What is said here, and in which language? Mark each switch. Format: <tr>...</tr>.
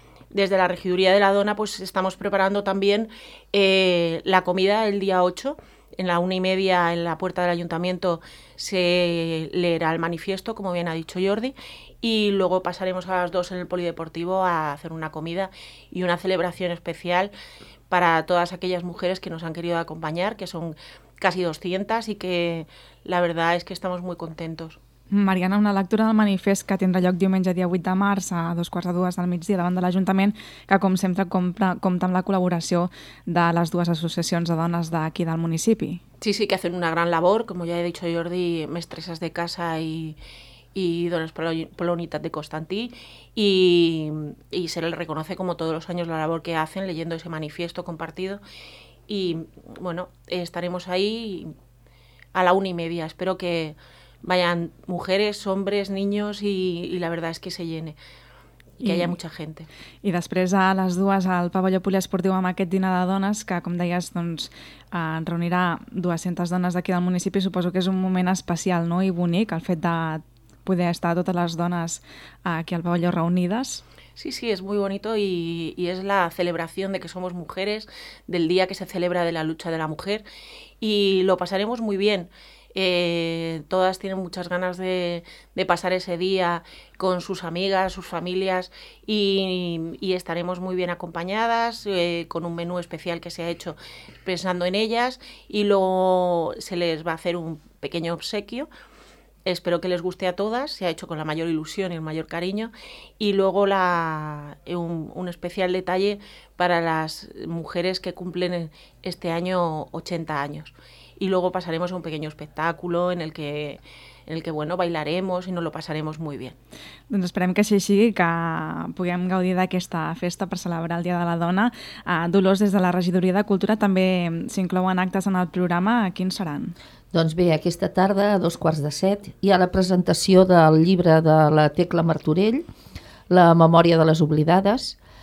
<es>desde la Regiduría de la Dona pues estamos preparando también la comida el día 8, en la 1:30 en la puerta del ayuntamiento se leerá el manifiesto, como bien ha dicho Jordi, y luego pasaremos a las 2 en el polideportivo a hacer una comida y una celebración especial para todas aquellas mujeres que nos han querido acompañar, que son casi 200 y que la verdad es que estamos muy contentos.</es> <ca>Mariana, una lectura del manifest que tindrà lloc diumenge dia 8 de març a 1:45 del migdia davant de l'Ajuntament, que com sempre compta amb la col·laboració de les dues associacions de dones d'aquí del municipi.</ca> <es>Sí, que hacen una gran labor, como ya he dicho Jordi, mestresas de casa y Dones por la Unitat de Constantí, y se le reconoce como todos los años la labor que hacen leyendo ese manifiesto compartido. Y bueno, estaremos ahí a la 1:30. Espero que vayan mujeres, hombres, niños, y la verdad es que se llene.</es> <ca>Que hi ha molta gent. I després a les dues al pavelló poliesportiu amb aquest dinar de dones, que com deies, doncs, reunirà 200 dones d'aquí del municipi, suposo que és un moment especial, no? I bonic, el fet de poder estar totes les dones aquí al pavelló reunides.</ca> <es>Sí, sí, es muy bonito y es la celebración de que somos mujeres, del día que se celebra de la lucha de la mujer, y lo pasaremos muy bien. Todas tienen muchas ganas de pasar ese día con sus amigas, sus familias, y estaremos muy bien acompañadas, con un menú especial que se ha hecho pensando en ellas, y luego se les va a hacer un pequeño obsequio. Espero que les guste a todas, se ha hecho con la mayor ilusión y el mayor cariño, y luego un especial detalle para las mujeres que cumplen este año 80 años. Y luego pasaremos a un pequeño espectáculo en el que bueno, bailaremos y nos lo pasaremos muy bien.</es> <ca>Doncs esperem que així sigui, que puguem gaudir d'aquesta festa per celebrar el Dia de la Dona. Dolors, des de la Regidoria de Cultura, també s'inclouen actes en el programa. Quins seran? Doncs bé, aquesta tarda, a 6:45, hi ha la presentació del llibre de la Tecla Martorell, La memòria de les oblidades.</ca>